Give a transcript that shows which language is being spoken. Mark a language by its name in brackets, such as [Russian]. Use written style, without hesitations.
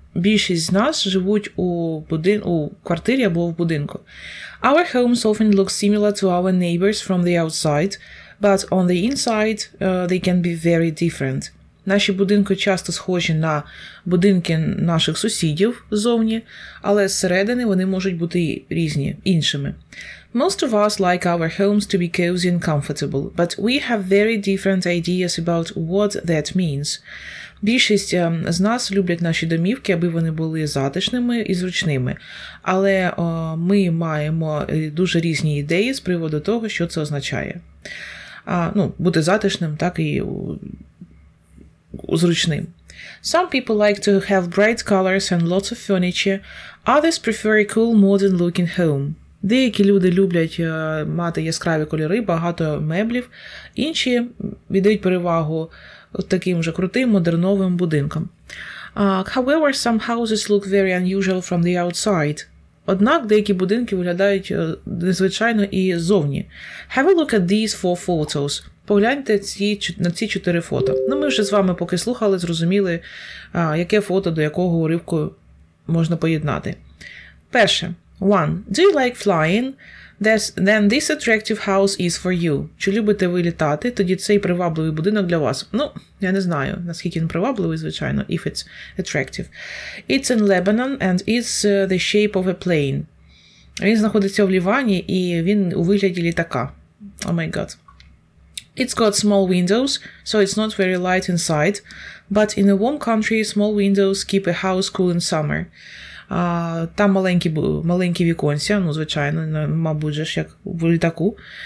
[Ukrainian] Більшість з нас живуть у квартирі або в будинку. [English] Our homes often look similar to our neighbors from the outside, but on the inside they can be very different. [Ukrainian] Наші будинки часто схожі на будинки наших сусідів ззовні, але зсередини вони можуть бути різні, іншими. [English] Most of us like our homes to be cozy and comfortable, but we have very different ideas about what that means. [Ukrainian] Більшість з нас люблять наші домівки, аби вони були затишними і зручними, але ми маємо дуже різні ідеї з приводу того, що це означає. Бути затишним, так і зручним. [English] Some people like to have bright colors and lots of furniture. Others prefer a cool, modern-looking home. [Ukrainian] Деякі люди люблять мати яскраві кольори, багато меблів. Інші віддають перевагу таким вже крутим, модерновим будинкам. [English] However, some houses look very unusual from the outside. [Ukrainian] Однак деякі будинки виглядають незвичайно і ззовні. [English] Have a look at these four photos. [Ukrainian] Погляньте на ці чотири фото. Ми вже з вами поки слухали, зрозуміли, яке фото до якого уривку можна поєднати. Перше. [English] 1. Do you like flying? Then this attractive house is for you. [Ukrainian] Чи любите ви літати? Тоді цей привабливий будинок для вас. Ну, я не знаю, наскільки він привабливий, звичайно, [English] if it's attractive. It's in Lebanon and it's the shape of a plane. [Ukrainian] Він знаходиться в Лівані і він у вигляді літака. [English] Oh my God. It's got small windows, so it's not very light inside. But in a warm country, small windows keep a house cool in summer. [Ukrainian] Там маленькі віконця, ну, звичайно, мабуть же ж, як в літаку.